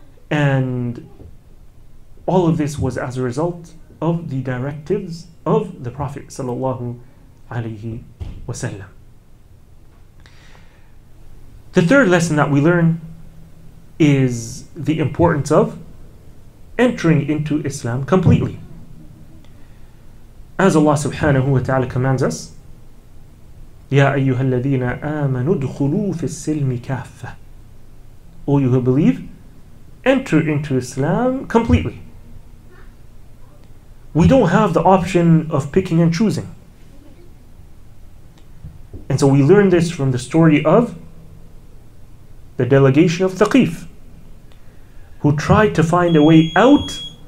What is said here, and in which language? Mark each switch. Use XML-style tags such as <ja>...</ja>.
<en>And all of this was as a result of the directives of the Prophet sallallahu alaihi wasallam. The third lesson that we learn is the importance of entering into Islam completely. As Allah subhanahu wa ta'ala commands us,</en> <ar>يَا أَيُّهَا الَّذِينَ آمَنُوا ادْخُلُوا فِي السِّلْمِ كَافَّةً.</ar> <en>O you who believe, enter into Islam completely. We don't have the option of picking and choosing. And so we learn this from the story of the delegation of Thaqif, who tried to find a way out.</en>